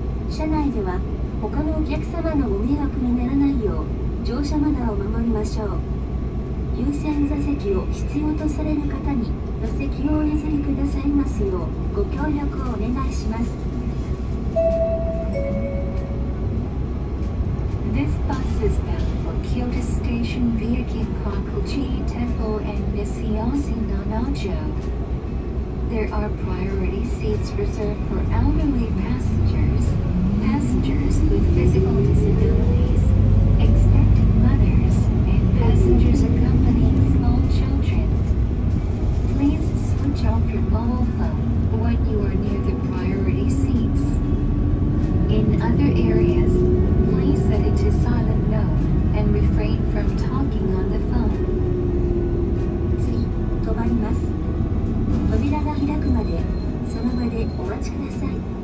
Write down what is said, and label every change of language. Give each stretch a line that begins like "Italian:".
Japanese: 車内では他のお客様のご迷惑にならないよう乗車マナーを守りましょう。優先座席を必要とされる方に座席をお譲りくださいますようご協力をお願いします。
English: This bus is bound for Kyoto Station via Ginkaku-ji Temple and Nishiyasu Nanajo. There are priority seats reserved for elderly passengers, passengers with physical disabilities, expectant mothers, and passengers accompanying small children. Please switch off your mobile phone when you are near the priority seats. In other areas,Set it to silent mode and refrain from talking on the phone.
Japanese: 次、止まります。扉が開くまで、その場でお待ちください。